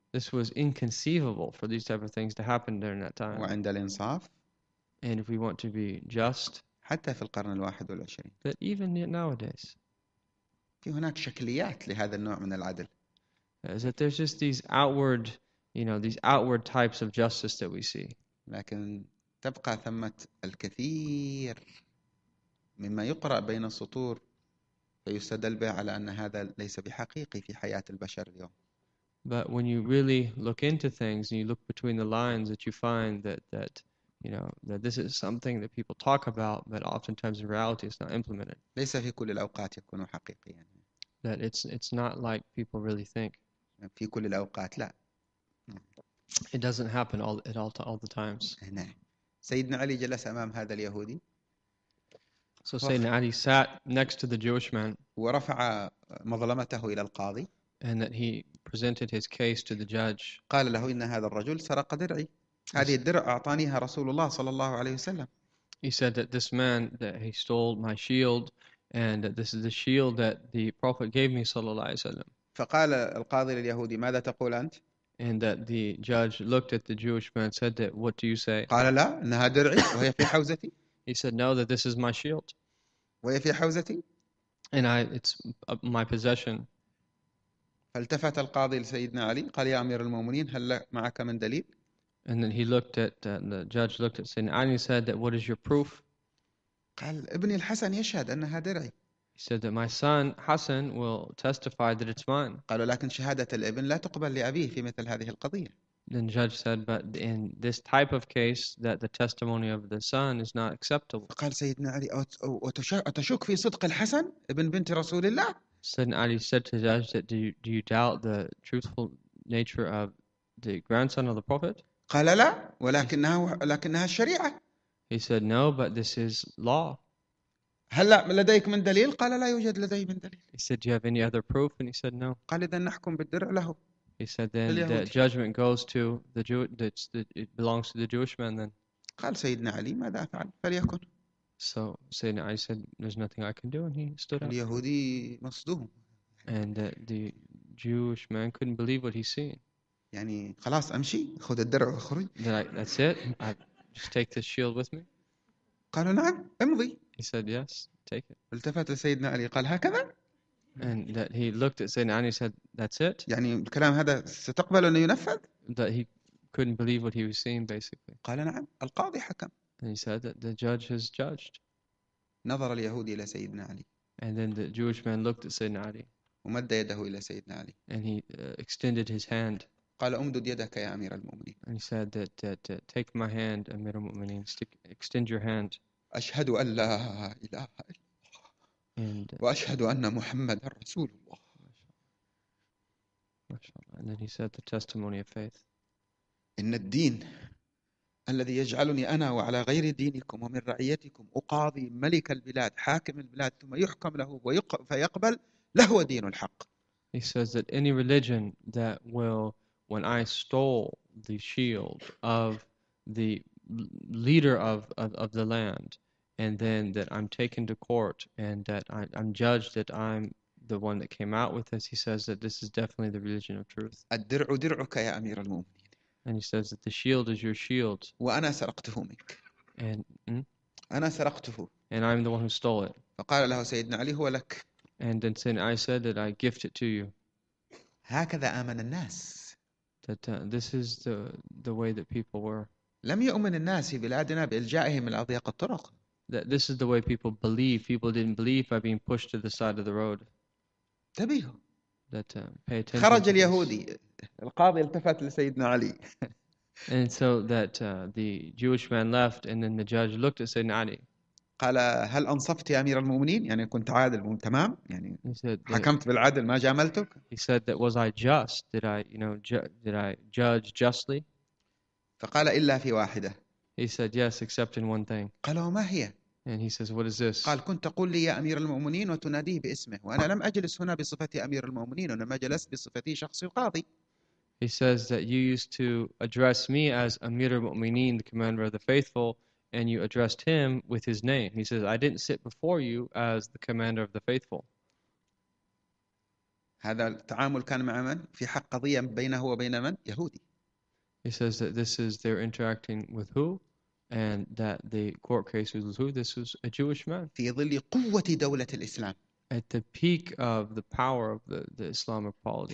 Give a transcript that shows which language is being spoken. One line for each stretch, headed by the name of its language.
English: This was inconceivable for these type of things to happen during that time.
Arabic: وعند الإنصاف.
English: And if we want to be just.
Arabic: حتى في القرن الواحد والعشرين.
English: But even nowadays.
Arabic: في هناك شكليات لهذا النوع من العدل.
English: Is that there's just these outward, you know, these outward types of justice that we see.
Arabic: لكن تبقى ثمة الكثير مما يقرأ بين السطور فيستدل به على أن هذا ليس بحقيقي في حياة البشر اليوم.
English: But when you really look into things and you look between the lines, that you find that you know that this is something that people talk about, but oftentimes in reality it's not implemented.
Arabic: ليس في كل الأوقات يكون حقيقيا.
English: That it's not like people really think.
Arabic: في كل الأوقات لا.
English: It doesn't happen all the times.
Arabic: سيدنا علي جلس أمام هذا اليهودي.
English: So Sayyidina Ali sat next to the Jewish man.
Arabic: ورفع مظلمته إلى القاضي.
English: And that he presented his case to the judge.
Arabic: قال له إن هذا الرجل سرق درعي. هذه الدرع أعطانيها رسول الله صلى الله عليه وسلم.
English: He said that this man, that he stole my shield, And this is the shield that the Prophet gave me,
Arabic: صلى الله عليه وسلم. فقال القاضي لليهودي ماذا تقول أنت؟
English: And that the judge looked at the Jewish man and said that, what do you say?
Arabic: قال لا إنها درعي وهي في حوزتي
English: He said, no, that this is my shield.
Arabic: وهي في حوزتي.
English: And it's my possession.
Arabic: فالتفت القاضي لسيدنا علي قال يا أمير المؤمنين هل معك من دليل؟
English: And then he looked at, the judge looked at Sayyidina Ali and said that, what is your proof?
Arabic: قال ابني الحسن يشهد أنها درعي.
English: He said that my son Hassan will testify that it's mine.
Arabic: قالوا لكن شهادة الابن لا تقبل لأبيه في مثل هذه القضية.
English: Then the judge said, but in this type of case, that the testimony of the son is not acceptable.
Arabic: فقال سيدنا علي أتشك في صدق الحسن ابن بنت رسول الله؟
English: Sayyidina Ali said to the judge that do you doubt the truthful nature of the grandson of the Prophet?
Arabic: قال لا ولكنها الشريعة.
English: He said, no, but this is law.
Arabic: هلا لديك من دليل؟ قال لا يوجد لدي من دليل.
English: He said, do you have any other proof? And he said, no.
Arabic: قال إذا نحكم بالدرع له.
English: He said, then the
Arabic: لليهودي.
English: judgment goes to the Jew, that's the, it belongs to the Jewish man then.
Arabic: قال سيدنا علي ماذا أفعل؟ فليكن.
English: So Sayyidina Ali said, there's nothing I can do. And he stood up.
Arabic: اليهودي مصدوم.
English: And the Jewish man couldn't believe what he's seen.
Arabic: يعني خلاص أمشي خذ الدرع وخرج.
English: That's it. I just take this shield with me.
Arabic: قال نعم امضي.
English: He said yes, take it.
Arabic: التفت لسيدنا علي قال هكذا.
English: And that he looked at Sayyidina Ali and said, that's it.
Arabic: يعني الكلام هذا ستقبل أن ينفذ.
English: That he couldn't believe what he was seeing basically.
Arabic: قال نعم القاضي حكم.
English: And he said that the judge has judged.
Arabic: نظر اليهودي إلى سيدنا علي.
English: And then the Jewish man looked at Sayyidina Ali.
Arabic: ومد يده إلى سيدنا علي.
English: And he extended his hand.
Arabic: قال أمدد يدك يا أمير المؤمنين.
English: And he said that take my hand, Amir al-Mu'mineen, extend your hand.
Arabic: أشهد أن لا إله إلا الله وأشهد أن محمد رسول الله. ما شاء الله.
English: And then he said the testimony of faith.
Arabic: إن الدين الذي يجعلني أنا وعلى غير دينكم ومن رعيتكم أقاضي ملك البلاد حاكم البلاد ثم يحكم له فيقبل لهو دين الحق.
English: He says that any religion that will when I stole the shield of the leader of the land and then that I'm taken to court and that I'm judged that I'm the one that came out with this, he says that this is definitely the religion of truth.
Arabic: الدرع درعك يا أمير المؤمنين.
English: And he says that the shield is your shield.
Arabic: وأنا سرقته منك.
English: And
Arabic: أنا سرقته.
English: And I'm the one who stole it.
Arabic: فقال له سيدنا علي هو لك.
English: And then saying, I said that I gift it to you.
Arabic: هكذا آمن الناس.
English: That this is the way that people were.
Arabic: لم يؤمن الناس في بلادنا بإلجائهم من أضيق الطرق.
English: That this is the way people believe. People didn't believe by being pushed to the side of the road.
Arabic: تبيهم.
English: That pay attention.
Arabic: خرج اليهودي. القاضي التفت لسيدنا علي.
English: And so that the Jewish man left, and then the judge looked at Sayyidina Ali.
Arabic: قال هل أنصفت يا أمير المؤمنين؟ يعني كنت عادل تمام؟ يعني
English: he said that,
Arabic: حكمت بالعدل ما جاملتك؟
English: He said that was I just? Did I, you know, did I judge justly?
Arabic: فقال إلا في واحدة.
English: He said yes, except in one thing.
Arabic: قال وما هي؟
English: And he says what is this?
Arabic: قال كنت تقول لي يا أمير المؤمنين وتناديه باسمه وأنا لم أجلس هنا بصفتي أمير المؤمنين وإنما جلست بصفتي شخص قاضي.
English: He says that you used to address me as Amir al-Mu'mineen, the commander of the faithful. And you addressed him with his name. He says, I didn't sit before you as the commander of the faithful.
Arabic: هذا التعامل كان مع من؟ في حق قضية بينه وبين من؟ يهودي.
English: He says that this is their interacting with who? And that the court case was who? This was a Jewish man.
Arabic: في ظل قوة دولة الإسلام.
English: At the peak of the power of the Islamic polity.